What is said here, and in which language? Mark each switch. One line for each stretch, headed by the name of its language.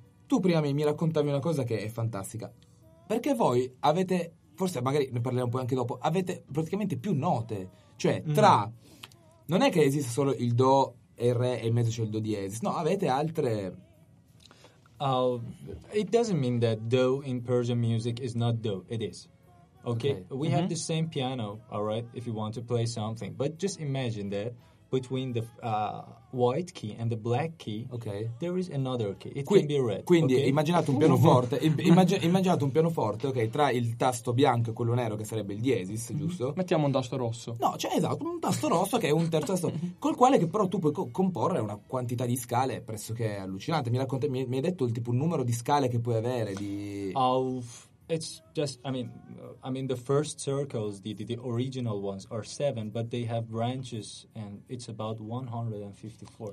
Italian: Tu prima mi raccontavi una cosa che è fantastica. Perché voi avete, forse magari ne parleremo poi anche dopo, avete praticamente più note. Cioè, tra... Non è che esiste solo il do e il re e in mezzo c'è il do diesis. No, avete altre...
English: It doesn't mean that do in Persian music is not do. It is. Okay? We have the same piano, all right, if you want to play something. But just imagine that between the white key and the black key, okay, there is another key. It can be red.
Italian: Quindi okay? Immaginate un pianoforte, immaginate un pianoforte, ok, tra il tasto bianco e quello nero che sarebbe il diesis, giusto? Mettiamo un tasto rosso. No, cioè esatto, un tasto rosso che è un terzo tasto col quale che però tu puoi comporre una quantità di scale pressoché allucinante. Mi hai detto il tipo numero di scale che puoi avere di
English: It's just, I mean, the first circles, the original ones are 7, but they have branches, and it's about 154.